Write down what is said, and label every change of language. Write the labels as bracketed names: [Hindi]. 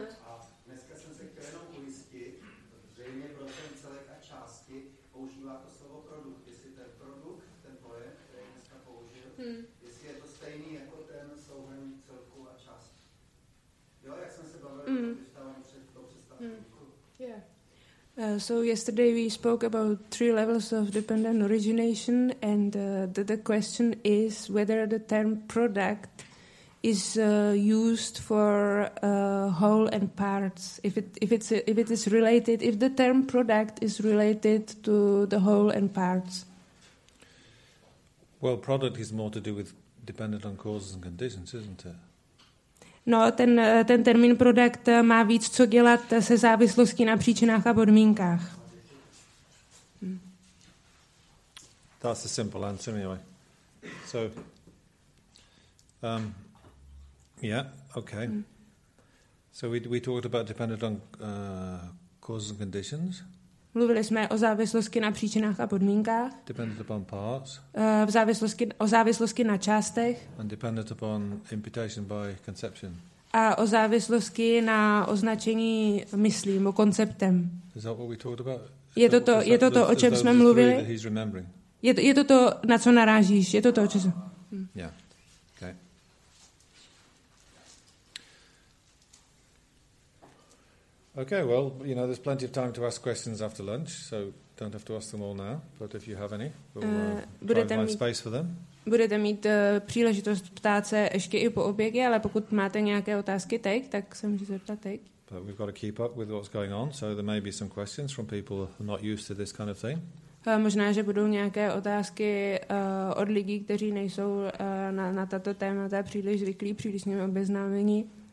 [Czech] A dneska jsem se chtěl jenom ujistit, zřejmě pro ten celek a části používá to slovo produkt. Jestli ten produkt, ten pojem, který dneska použil, jestli je to stejný jako ten souhrn celku a části. Jo, jak jsem se bavil, když stávám před tou představkou. [English] So yesterday we spoke about three levels of dependent origination, and the question is whether the term product is used for whole and parts. If it is related, if the term product is related to the whole and parts. Well, product is more to do with dependent on causes and conditions, isn't it? [Czech] No, ten termín produkt má víc co dělat se závislostí na příčinách a podmínkách. [English] That's a simple answer anyway. So, okay. So we talked about dependent on causes and conditions. [Czech] Mluvili jsme o závislosti na příčinách a podmínkách. [English] Dependent upon parts. [Czech] O závislosti na částech. [English] And dependent upon imputation by conception. [Czech] A o závislosti na označení myslí, nebo konceptem. [English] Is that what we talked about? [Czech] Je to to, o čem jsme mluvili? Je to to, na co narážíš? Je to to, o čem? [English] Yeah. Okay. Okay, well, you know, there's plenty of time to ask questions after lunch, so don't have to ask them all now, but if you have any, we'll find space for them. [Czech] Budete mít příležitost ptát se ještě i po obědě, ale pokud máte nějaké otázky teď, tak se můžete zeptat teď. [English] But we've got to keep up with what's going on, so there may be some questions from people who are not used to this kind of thing. [Czech] Možná, že budou nějaké otázky od lidí, kteří nejsou na tato témata příliš zvyklí, příliš nimi obeznámení.